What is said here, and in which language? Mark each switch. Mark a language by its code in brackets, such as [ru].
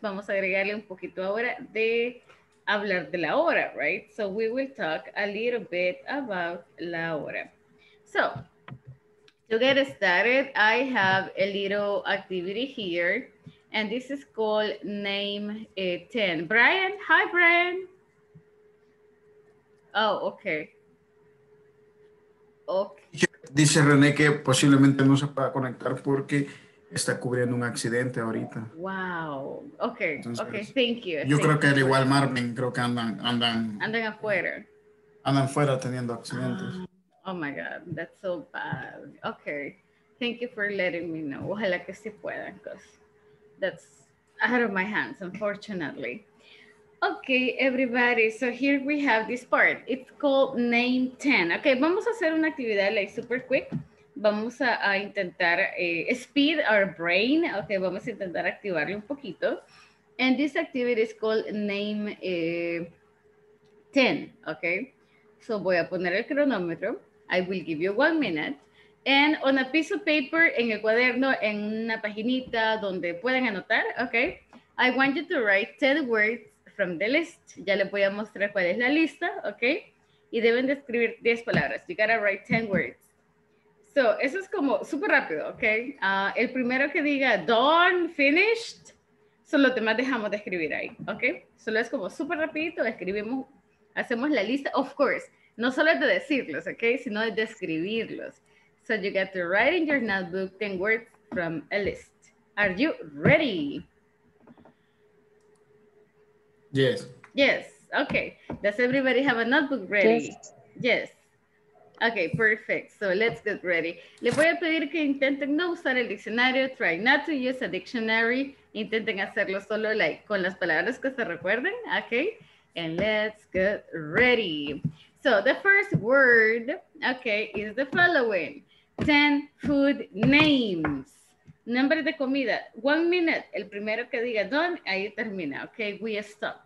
[es] Vamos a agregarle un poquito ahora de hablar de la hora, [en] right? So, we will talk a little bit about la hora. So, to get started, I have a little activity here, and this is called name 10. Brian, hi, Brian. Oh, okay. Okay. [es] Dice René que posiblemente no se pueda conectar porque está cubriendo un accidente ahorita. [en] Wow. Okay. [es] Entonces, [en] okay. Thank you. [es] Yo creo que al igual Marvin, creo que andan afuera. Andan afuera teniendo accidentes. [en] Oh my God. That's so bad. Okay. Thank you for letting me know. [es] Ojalá que sí puedan, [en] because that's out of my hands, unfortunately. Okay, everybody, so here we have this part. It's called name 10. [es] Okay, vamos a hacer una actividad [en] like super quick. [es] Vamos a intentar [en] speed our brain. Okay, [es] vamos a intentar activarle un poquito. [en] And this activity is called name 10. Okay, so [es] voy a poner el cronómetro. [en] I will give you 1 minute. And on a piece of paper, [es] en el cuaderno, en una paginita donde puedan anotar, [en] okay, I want you to write 10 words from the list. [es] Ya les voy a mostrar cuál es la lista, ok? Y deben de escribir 10 palabras. [en] You gotta write 10 words. So, [es] eso es como súper rápido, [en] ok? [es] El primero que diga [en] done, finished, [es] son los demás dejamos de escribir ahí, ok? Solo es como súper rapidito, escribimos, hacemos la lista, [en] of course. [es] No solo es de decirlos, ok? Sino es de escribirlos. [en] So, you got to write in your notebook 10 words from a list. Are you ready? Yes. Yes. Okay. Does everybody have a notebook ready? Yes. Yes. Okay, perfect. So let's get ready. [es] Le voy a pedir que intenten no usar el diccionario. [en] Try not to use a dictionary. [es] Intenten hacerlo solo [en] like [es] con las palabras que se recuerden. [en] Okay. And let's get ready. So the first word, okay, is the following. 10 food names. [es] Nombre de comida, [en] 1 minute, [es] el primero que diga done, ahí termina, ok, [en] we stop.